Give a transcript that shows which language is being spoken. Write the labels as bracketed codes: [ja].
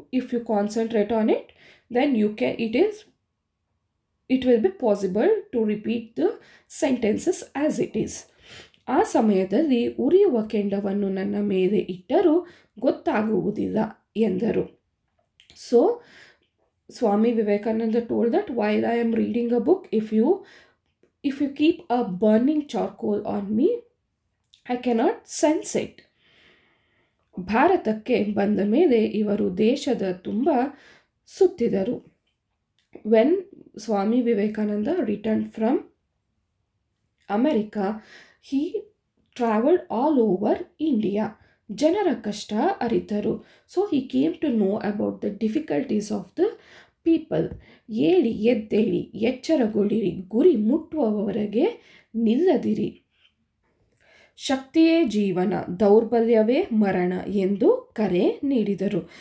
[en] If you concentrate on it then you can it will be possible to repeat the sentences as it is. [kn] ಆ ಸಮಯದಲ್ಲಿ ಉರಿಯುವ ಕೆಂಡವನ್ನು ನನ್ನ ಮೇಲೆ ಇಟ್ಟರೂ ಗೊತ್ತಾಗುವುದಿಲ್ಲ ಎಂದರು. [en] So Swami Vivekananda told that while I am reading a book, if you keep a burning charcoal on me, I cannot sense it. [kn] Bharatakke banda mele ivaru deshada tumba suttidaru. [en] When Swami Vivekananda returned from America, he traveled all over India. [kn] ಜನರ ಕಷ್ಟ ಅರಿತರು. [en] So he came to know about the difficulties of the people. [kn] ಏಳಿ ಎದ್ದೇಳಿ, ಎಚ್ಚರಗೊಳ್ಳಿರಿ, ಗುರಿ ಮುಟ್ಟುವವರೆಗೆ ನಿಲ್ಲದಿರಿ. ಶಕ್ತಿಯೇ ಜೀವನ, ದೌರ್ಬಲ್ಯವೇ ಮರಣ ಎಂದು ಕರೆ ನೀಡಿದರು.